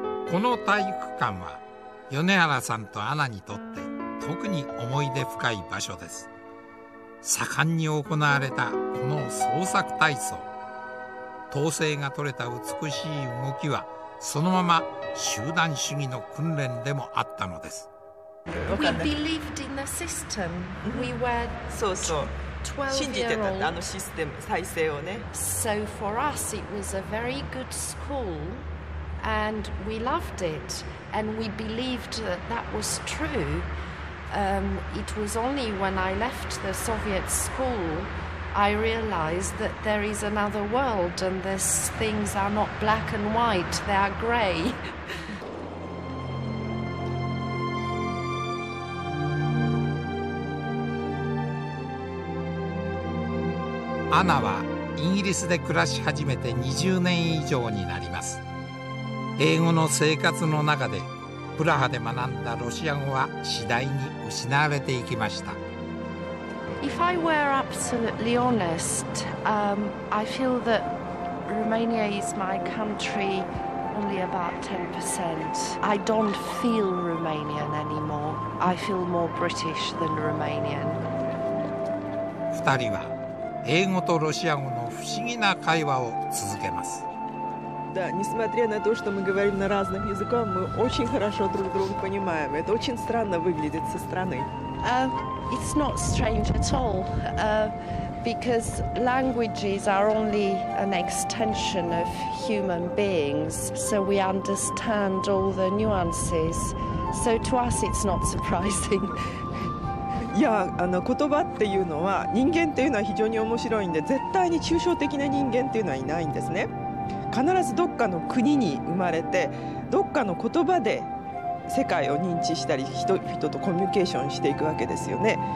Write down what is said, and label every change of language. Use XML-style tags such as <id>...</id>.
<ja>この体育館は米原さんとアナにとって特に思い出深い場所です。盛んに行われたこの創作体操、統制が取れた美しい動きはそのまま集団主義の訓練でもあったのです。</ja> <en>We believed in the system. We were 12-year-old.</en> <ja>あのシステム、体制をね。</ja> <en>So for us, it was a very good school, and we loved it, and we believed that that was true. It was only when I left the Soviet school, I realized that there is another world, and these things are not black and white; they are gray.</en> <ja>アナはイギリスで暮らし始めて20年以上になります。英語の生活の中でプラハで学んだロシア語は次第に失われていきました。</ja> <en>If I were absolutely honest, I feel that Romania is my country only about 10%. I don't feel Romanian anymore. I feel more British than Romanian.</en> <ja>2人は英語とロシア語の不思議な会話を続けます。</ja> <ru>Да, несмотря на то, что мы говорим на разных языках, мы очень хорошо друг друга понимаем. Это очень странно выглядит со стороны.</ru> <en>It's not strange at all, because languages are only an extension of human beings, so we understand all the nuances. So to us, it's not surprising.</en> <ja>いや、言葉っていうのは、人間っていうのは非常に面白いんで、絶対に抽象的な人間っていうのはいないんですね。必ずどっかの国に生まれて、どっかの言葉で世界を認知したり、人とコミュニケーションしていくわけですよね。</ja>